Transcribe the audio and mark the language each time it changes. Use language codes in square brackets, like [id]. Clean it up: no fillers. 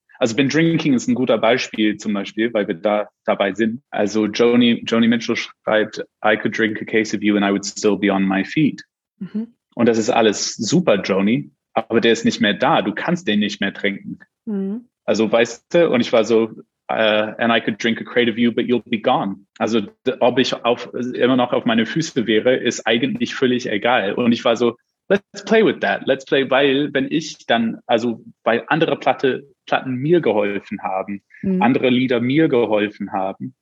[de] Also Been Drinking ist ein guter Beispiel zum Beispiel, weil wir da dabei sind. Also Joni Mitchell schreibt, [en] I could drink a case of you and I would still be on my feet. Mhm. [de] Und das ist alles super, Joni, aber der ist nicht mehr da. Du kannst den nicht mehr trinken. Mhm. Also weißt du, und ich war so, [en] and I could drink a crate of you, but you'll be gone. [de] Also ob ich immer noch auf meine Füße wäre, ist eigentlich völlig egal. Und ich war so, [en] let's play with that. Let's play, [de] weil wenn ich dann, also weil andere Platten mir geholfen haben, andere Lieder mir geholfen haben.